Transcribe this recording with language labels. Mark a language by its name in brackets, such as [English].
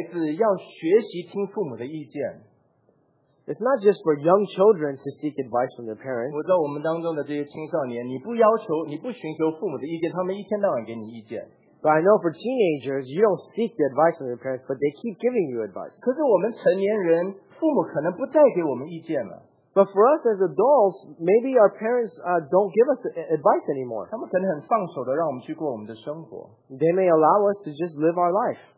[Chinese] 不但是年幼的孩子要学习听父母的意见。 [English] It's not just for young children to seek advice from their parents. [Chinese] 我知道我们当中的这些青少年，你不寻求父母的意见，他们一天到晚给你意见。 [English] But I know for teenagers, you don't seek the advice from your parents, but they keep giving you advice. [Chinese] 可是我们成年人，父母可能不再给我们意见了。 [English] But for us as adults, maybe our parents don't give us advice anymore. [Chinese] 他们可能很放手的让我们去过我们的生活。 [English] They may allow us to just live our life.